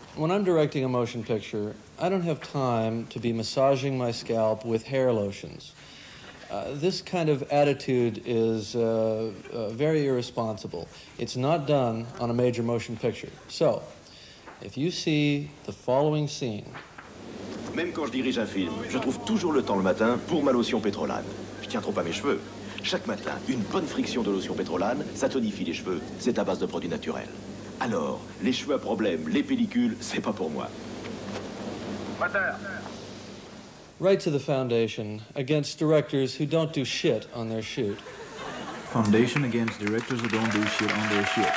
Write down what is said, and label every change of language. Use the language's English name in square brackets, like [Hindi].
[English] When I'm directing a motion picture, I don't have time to be massaging my scalp with hair lotions. This kind of attitude is very irresponsible. It's not done on a major motion picture. So, if you see the following scene, [French] même quand je dirige un film, je trouve toujours le temps le matin pour ma lotion Pétrolane. Je tiens trop à mes cheveux. Chaque matin, une bonne friction de lotion Pétrolane, ça tonifie les cheveux. C'est à base de produits naturels. Alors, les cheveux à problème, les pellicules, c'est pas pour moi. Mater. [English] Right to the foundation, against directors who don't do shit on their shoot. Foundation against directors who don't do shit on their shoot.